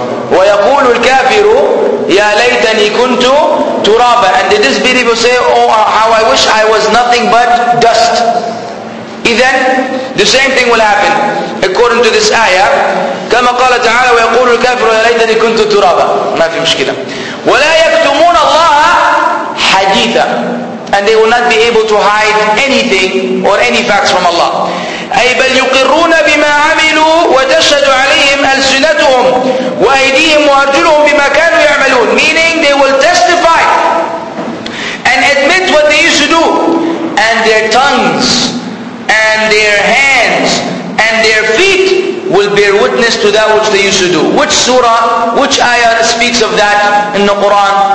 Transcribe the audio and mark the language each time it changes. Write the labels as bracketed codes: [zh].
[ar] ويقول الكافر يا ليتني كنت ترابا. [en] And the disbeliever say, oh, how I wish I was nothing but dust. إذن, the same thing will happen according to this ayah. [ar] كما قال تعالى ويقول الكافر يا ليتني كنت ترابا. ما في مشكلة. ولا يكتمون الله حديثا. [en] And they will not be able to hide anything or any facts from Allah. [ar] أي بل يقرون بما عملوا وتشهد عليهم ألسنتهم وأيديهم وأرجلهم بما كانوا يعملون. [en] Meaning they will testify and admit what they used to do, and their tongues and their hands and their feet will bear witness to that which they used to do. Which surah, which ayah speaks of that in the Quran?